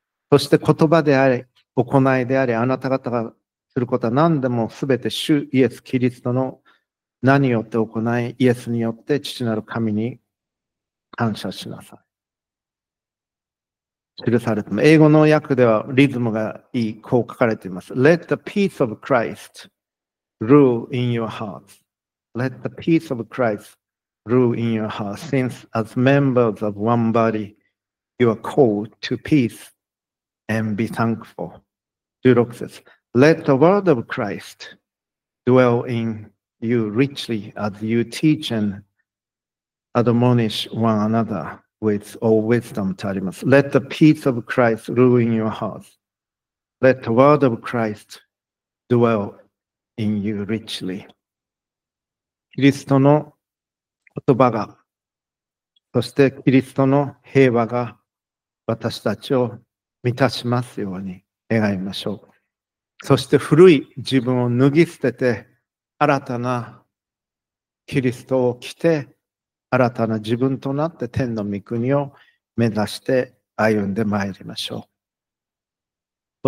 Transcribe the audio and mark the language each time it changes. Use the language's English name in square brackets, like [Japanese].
[Japanese] そして言葉であれ、行いであれ、あなた方がすることは何でもすべて主イエス・キリストの名によって行い、イエスによって父なる神に感謝しなさい。記されても、英語の訳ではリズムがいい、こう書かれています。 [English] Let the peace of Christ rule in your hearts. Let the peace of Christ rule in your hearts. Since as members of one body, you are called to peace and be thankful. 16 says, Let the word of Christ dwell in you richly as you teach and admonish one another. With all wisdom to Arimas. Let the peace of Christ rule in your hearts. Let the word of Christ dwell in you richly. [Japanese] キリストの言葉が、そしてキリストの平和が私たちを満たしますように願いましょう。そして古い自分を脱ぎ捨てて、新たなキリストを着て、新たな自分となって天の御国を目指して歩んでまいりましょう。